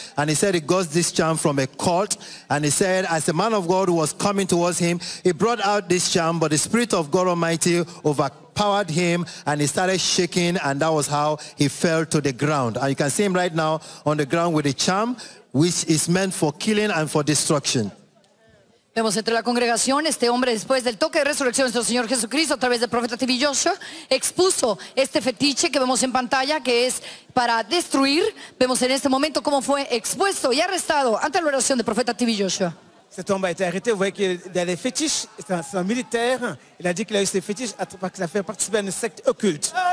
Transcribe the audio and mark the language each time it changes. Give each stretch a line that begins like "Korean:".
English: And he said he got this charm from a cult. And he said as the man of God was coming towards him, he brought out this charm, but the Spirit of God Almighty overpowered him and he started shaking, and that was how he fell to the ground. And you can see him right now on the ground with a charm, which is meant for killing and for destruction.
Spanish: Vemos entre la congregación, este hombre después del toque de resurrección de nuestro Señor Jesucristo a través del profeta TV Joshua, expuso este fetiche que vemos en pantalla que es para destruir. Vemos en este momento cómo fue expuesto y arrestado ante la oración del profeta TV Joshua.
French: Cet homme a été arrêté, vous voyez qu'il y a des fétiches, c'est un militaire, il a dit qu'il a eu ses fétiches parce qu'il a fait participer à une secte occulte.